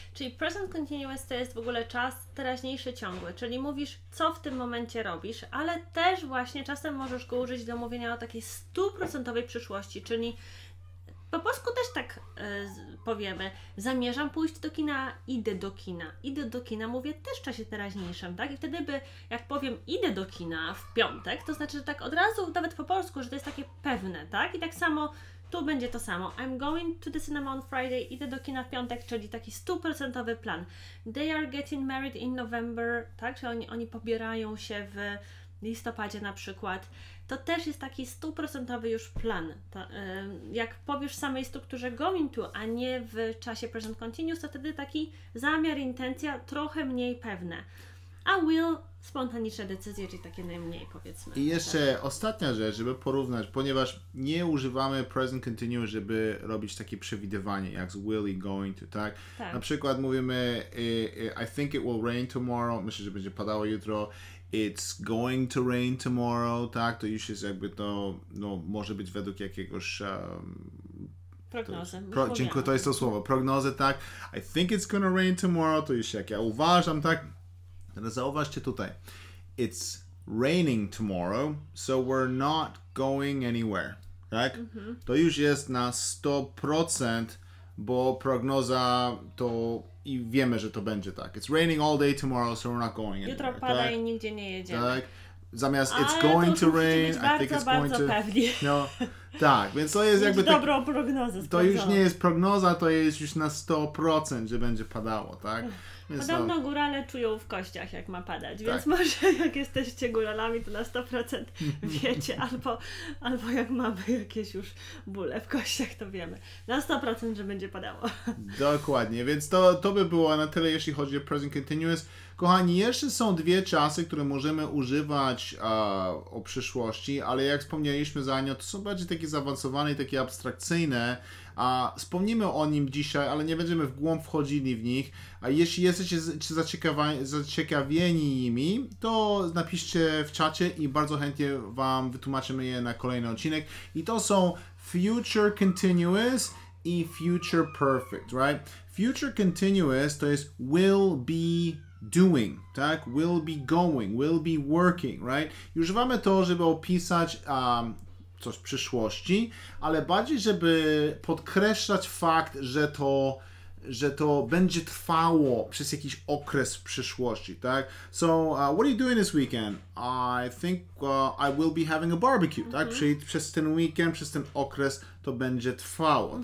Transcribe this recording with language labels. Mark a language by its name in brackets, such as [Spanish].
[Polish] Czyli present continuous to jest w ogóle czas teraźniejszy ciągły, czyli mówisz, co w tym momencie robisz, ale też właśnie czasem możesz go użyć do mówienia o takiej stuprocentowej przyszłości, czyli po polsku też tak powiemy, zamierzam pójść do kina, idę do kina. Idę do kina mówię też w czasie teraźniejszym, tak? I wtedy by, jak powiem idę do kina w piątek, to znaczy, że tak od razu, nawet po polsku, że to jest takie pewne, tak? I tak samo tu będzie to samo. [English] I'm going to the cinema on Friday, [Polish] idę do kina w piątek, czyli taki stuprocentowy plan. [English] They are getting married in November, tak? [Polish] Czyli oni pobierają się w listopadzie na przykład. To też jest taki stuprocentowy już plan. To, jak powiesz w samej strukturze going to, a nie w czasie present continuous, to wtedy taki zamiar, intencja trochę mniej pewne. A will, spontaniczne decyzje, czyli takie najmniej powiedzmy. I jeszcze tak. ostatnia rzecz, żeby porównać, ponieważ nie używamy present continuous, żeby robić takie przewidywanie, jak z will i going to, tak? Tak. Na przykład mówimy [English] I think it will rain tomorrow, [Polish] myślę, że będzie padało jutro. [English] It's going to rain tomorrow, tak? [Polish] To już jest jakby to, no, może być według jakiegoś... prognozy. Dziękuję, to jest to słowo. Prognozy, tak? [English] I think it's gonna rain tomorrow, [Polish] to już jak ja uważam, tak? Teraz zauważcie tutaj. [English] It's raining tomorrow, so we're not going anywhere, tak? Mm-hmm. [Polish] To już jest na 100%, bo prognoza to... I wiemy, że to będzie tak. [English] It's raining all day tomorrow, so we're not going [Polish] jutro [English] anywhere. [Polish] Jutro pada, tak? I nigdzie nie jedziemy. Tak? [English] Zamiast it's going to rain, I think it's going to... [Polish] Pewnie. No, tak, więc to jest jakby... Tak, dobrą prognozę. To już nie jest prognoza, to jest już na 100%, że będzie padało, tak? Podobno to... górale czują w kościach, jak ma padać, tak. Więc może jak jesteście góralami, to na 100% wiecie, albo jak mamy jakieś już bóle w kościach, to wiemy. Na 100%, że będzie padało. Dokładnie, więc to by było na tyle, jeśli chodzi o present continuous. Kochani, jeszcze są dwie czasy, które możemy używać o przyszłości, ale jak wspomnieliśmy za nią, to są bardziej takie zaawansowane i takie abstrakcyjne. A wspomnimy o nim dzisiaj, ale nie będziemy w głąb wchodzili w nich. A jeśli jesteście zaciekawieni nimi, to napiszcie w czacie i bardzo chętnie Wam wytłumaczymy je na kolejny odcinek. I to są Future Continuous i Future Perfect, right? Future Continuous to jest will be doing, tak? [English] Will be going, will be working, right? [Polish] I używamy to, żeby opisać coś w przyszłości, ale bardziej, żeby podkreślać fakt, że to będzie trwało przez jakiś okres w przyszłości, tak? [English] So, what are you doing this weekend? I think I will be having a barbecue, mm-hmm. [Polish] tak? Przez ten weekend, przez ten okres to będzie trwało, mm-hmm.